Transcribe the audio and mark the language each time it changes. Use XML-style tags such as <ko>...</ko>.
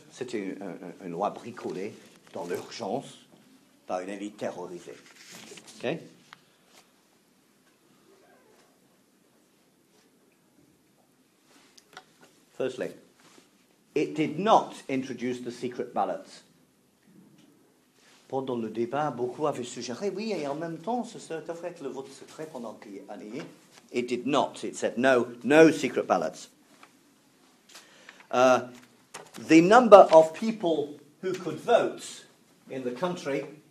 <fr>C'était une loi bricolée dans l'urgence. Par une élite terrorisée. Okay.</fr> <en>Firstly, it did not introduce the secret ballots.</en> <fr>Pendant le débat, beaucoup avaient suggéré, oui, et en même temps, ce serait peut-être le vote secret pendant qu'il y ait.</fr> <en>It did not. It said no secret ballots. The number of people who could vote in the country...</en>